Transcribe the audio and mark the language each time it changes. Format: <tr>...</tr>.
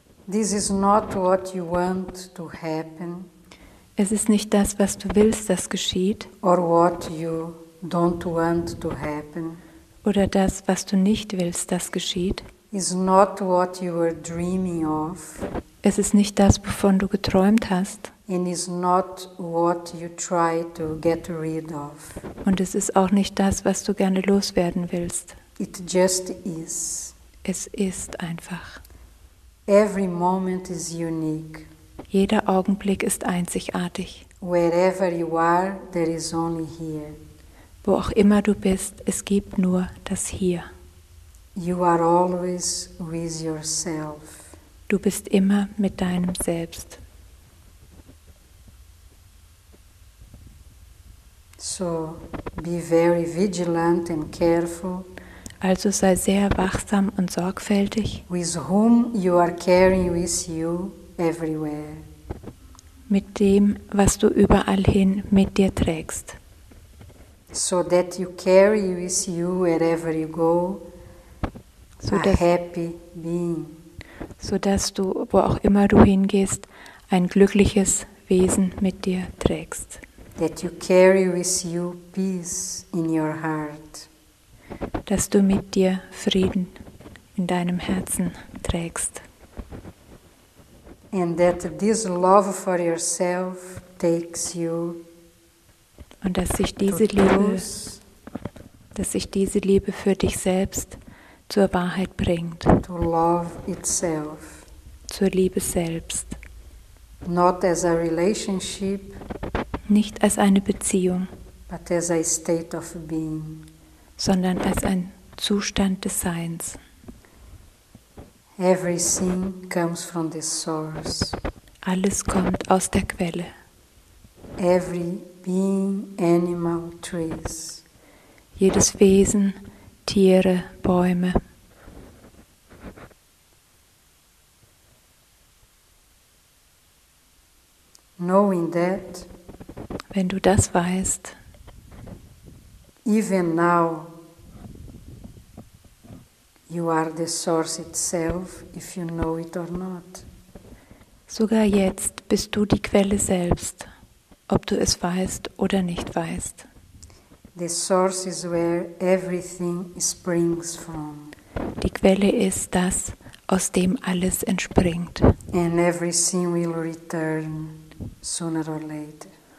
<en>This is not what you want to happen.</en> <de>Es ist nicht das, was du willst, das geschieht.</de> <en>Or what you don't want to happen.</en> <de>Oder das, was du nicht willst, das geschieht.</de> <en>Is not what you were dreaming of.</en> <de>Es ist nicht das, wovon du geträumt hast.</de> <en>And is not what you try to get rid of.</en> <de>Und es ist auch nicht das, was du gerne loswerden willst.</de> <en>It just is.</en> <de>Es ist einfach.</de> <en>Every moment is unique.</en> <de>Jeder Augenblick ist einzigartig.</de> <en>Wherever you are, there is only here.</en> <de>Wo auch immer du bist, es gibt nur das Hier.</de> <en>You are always with yourself.</en> <de>Du bist immer mit deinem Selbst.</de> <en>So be very vigilant and careful.</en> <de>Also sei sehr wachsam und sorgfältig.</de> <en>With whom you are carrying with you everywhere.</en> <de>Mit dem, was du überall hin mit dir trägst.</de> <en>So that you carry with you wherever you go. So a happy being.</en> <de>So dass du, wo auch immer du hingehst, ein glückliches Wesen mit dir trägst.</de> <en>That you carry with you peace in your heart.</en> <de>Dass du mit dir Frieden in deinem Herzen trägst.</de> <en>And that this love for yourself takes you.</en> <de>Und dass sich diese Liebe, für dich selbst zur Wahrheit bringt.</de> <en>To love itself.</en> <de>Zur Liebe selbst.</de> <en>Not as a relationship.</en> <de>Nicht als eine Beziehung,</de> <en>but as a state of being.</en> <de>Sondern als ein Zustand des Seins.</de> <en>Everything comes from the source.</en> <de>Alles kommt aus der Quelle.</de> <en>Every being, animal, trees.</en> <de>Jedes Wesen, Tiere, Bäume.</de> <en>Knowing that,</en> <de>wenn du das weißt,</de> <en>even now, you are the source itself, if you know it or not.</en> <de>Sogar jetzt bist du die Quelle selbst, ob du es weißt oder nicht weißt.</de> <en>The source is where everything springs from.</en> <de>Die Quelle ist das, aus dem alles entspringt.</de> <en>And everything will return sooner or later.</en>